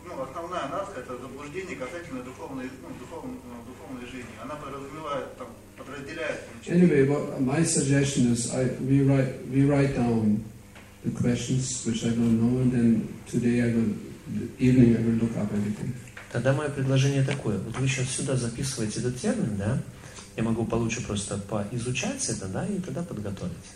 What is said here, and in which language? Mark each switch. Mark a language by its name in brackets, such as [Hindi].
[Russian] Основная анатха — это заблуждение касательно духовной жизни. Она подразумевает, подразделяет. [English] Anyway, my suggestion is we write down the questions which I don't know, and then today I will look up everything. [Russian] Тогда мое предложение такое. Вот вы сейчас сюда записываете этот термин, да? Я могу получше просто поизучать это, да, и тогда подготовить.